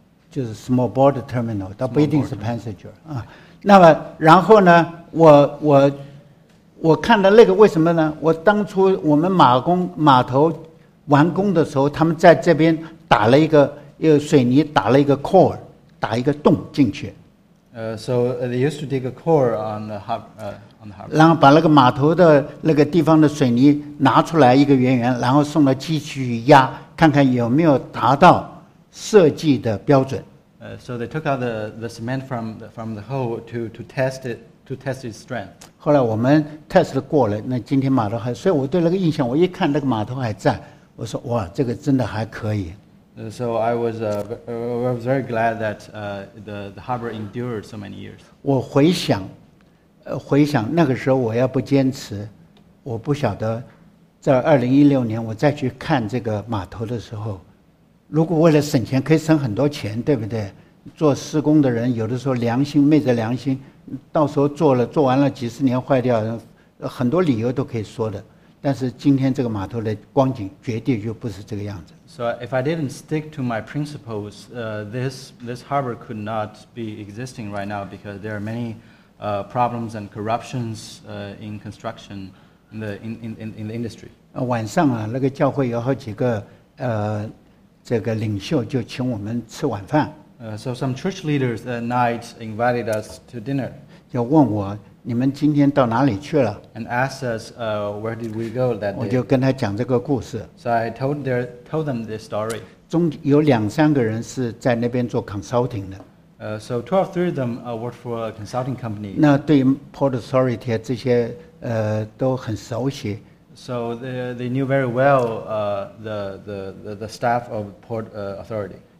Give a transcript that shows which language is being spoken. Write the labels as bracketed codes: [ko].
[zh] 就是 [en] small boat terminal， [zh] 倒不一定是 passenger 啊。那么然后呢，我看到那个为什么呢？我当初我们码头完工的时候，他们在这边。打了一个用水泥打了一个 core， 打一个洞进去。 [en] So they used to dig a core on the harbor. [zh] 然后把那个码头的那个地方的水泥拿出来一个圆圆，然后送到机器去压，看看有没有达到设计的标准。 [en] So they took out the cement from the hole to test its strength. [zh] 后来我们 test 过了，那今天码头还，所以我对那个印象，我一看那个码头还在，我说哇，这个真的还可以。 [en] So I was very glad that the harbor endured so many years. [zh] 我回想那个时候，我要不坚持，我不晓得在2016年我再去看这个码头的时候，如果为了省钱可以省很多钱，对不对？做施工的人有的时候良心昧着良心，到时候做完了几十年坏掉，很多理由都可以说的。但是今天这个码头的光景绝对就不是这个样子。 [en] So if I didn't stick to my principles, this harbor could not be existing right now because there are many problems and corruptions in construction in the industry. [zh] 晚上啊，那个教会有好几个这个领袖就请我们吃晚饭。 [en] So some church leaders at night invited us to dinner. [zh] 就问我。你们今天到哪里去了 [en] ？And asked us, where did we go that day? [zh] 我就跟他讲这个故事。 [en] So I told them this story. [zh] 中有两三个人是在那边做 consulting 的。 [en] So two or three of them worked for a consulting company. [zh] 那对 Port Authority 这些都很熟悉。 [en] So they knew very well the staff of Port Authority.